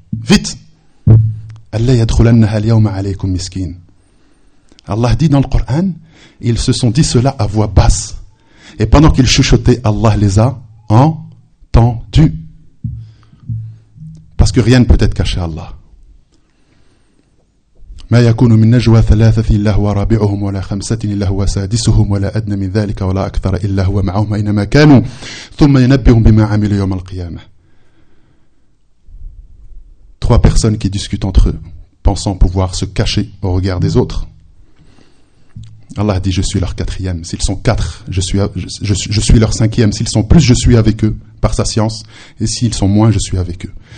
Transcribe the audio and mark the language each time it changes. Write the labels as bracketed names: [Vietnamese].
[French] Vite. [Arabic] أَلَّا يَدْخُلَنَّهَا الْيَوْمَ عَلَيْكُمْ مِسْكِينَ. [French] Allah dit dans le Coran, ils se sont dit cela à voix basse. Et pendant qu'ils chuchotaient, Allah les a entendus. Parce que rien ne peut être caché à Allah. [Arabic] ما يكون من نجوى ثلاثه الا هو رابعهم ولا خمسه الا هو سادسهم ولا ادنى من ذلك ولا اكثر الا هو معهم اينما كانوا ثم ينبئهم بما عملوا يوم القيامه. [French] Trois personnes qui discutent entre eux, pensant pouvoir se cacher au regard des autres. Allah dit, je suis leur quatrième. S'ils sont quatre, je suis leur cinquième. S'ils sont plus, je suis avec eux par sa science. Et s'ils sont moins, je suis avec eux.